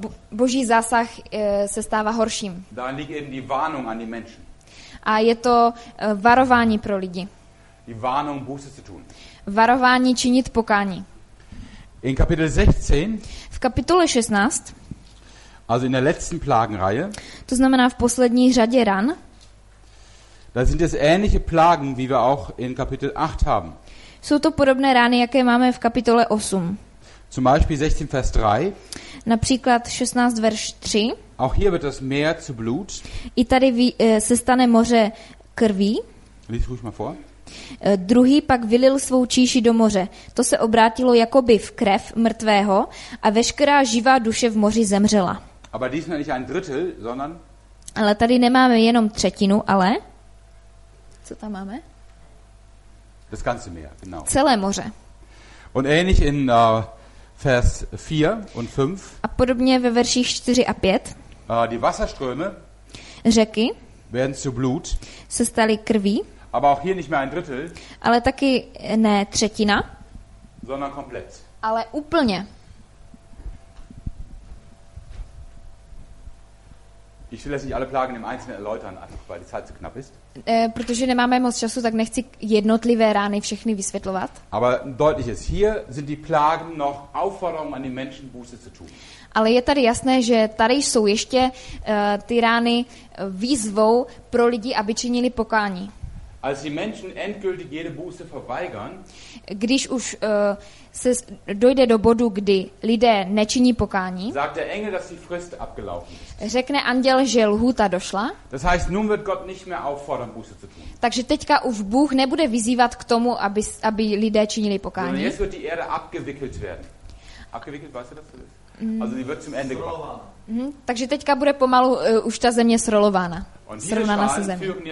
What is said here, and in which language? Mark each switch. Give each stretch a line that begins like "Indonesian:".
Czech: Boží zásah se stává horším.
German: Darin liegt eben die Warnung an die Menschen.
Czech: A je to varování pro lidi.
German: Die Warnung, Buße zu tun.
Czech: Varování činit pokání.
German: In Kapitel 16.
Czech: V kapitole 16.
German: Also in der letzten Plagenreihe.
Czech: To znamená v poslední řadě ran.
German: Da sind es ähnliche Plagen, wie wir auch in Kapitel 8 haben.
Czech: Jsou to podobné rány, jaké máme v kapitole 8.
German: Zum Beispiel 16 Vers 3.
Czech: Například 16 verš 3.
German: Auch hier wird das Meer zu Blut.
Czech: I tady se stane moře krví.
German: Lies ruhig mal vor.
Czech: Druhý pak vylil svou číši do moře. To se obrátilo jakoby v krev mrtvého a veškerá živá duše v moři zemřela.
German: Aber diesmal nicht ein Drittel, sondern.
Czech: Ale tady nemáme jenom třetinu, ale co tam máme?
German: Das ganze Meer, genau.
Czech: Celé moře.
German: Und ähnlich in Vers 4 und 5.
Czech: A podobně ve verších 4 a 5.
German: Die Wasserströme.
Czech: Řeky.
German: Werden zu Blut.
Czech: Se staly krví.
German: Aber auch hier nicht mehr ein Drittel.
Czech: Ale taky ne třetina.
German: Sondern komplett.
Czech: Ale úplně.
German: Ich will jetzt nicht alle Plagen im Einzelnen erläutern, weil die Zeit zu knapp ist.
Czech: Protože nemáme moc času, tak nechci jednotlivé rány všechny vysvětlovat.
German: Aber deutlich ist, hier sind die Plagen noch Aufforderung an die Menschen, Buße zu tun.
Czech: Ale je tady jasné, že tady jsou ještě ty rány výzvou pro lidi, aby činili pokání.
German: Als die Menschen endgültig jede Buße verweigern,
Czech: když už se dojde do bodu, kdy lidé nečiní pokání,
German: sagt der Engel, dass die Frist abgelaufen ist.
Czech: Řekne anděl, že lhůta došla.
German: Das heißt, nun wird Gott nicht mehr auffordern, Buße zu tun.
Czech: Takže teďka už Bůh nebude vyzývat k tomu, aby lidé činili pokání.
German: Jetzt wird die Erde abgewickelt werden. Abgewickelt, weißt du, was das ist? Also sie wird zum Ende gebracht.
Czech: Takže teďka bude pomalu už ta země srolována. Srovnána se zemí.